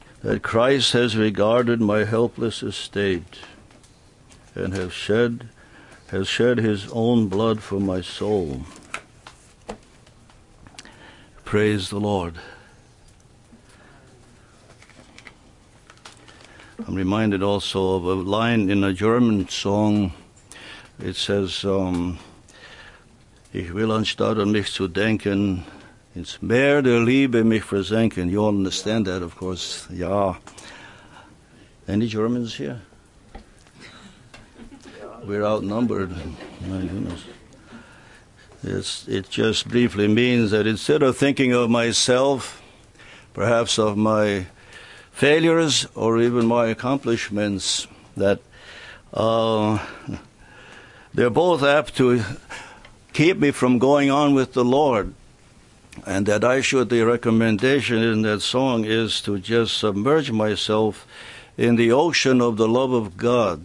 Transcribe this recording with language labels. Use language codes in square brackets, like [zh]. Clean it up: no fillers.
[en] that Christ has regarded my helpless estate and has shed his own blood for my soul. Praise the Lord. I'm reminded also of a line in a German song. It says, [de] Ich will anstatt an mich zu denken, ins Meer der Liebe mich versenken. [en] You all understand that, of course. Yeah. Any Germans here? We're outnumbered. My goodness. It just briefly means that instead of thinking of myself, perhaps of my failures or even my accomplishments, that they're both apt to keep me from going on with the Lord, and that I should, the recommendation in that song is to just submerge myself in the ocean of the love of God.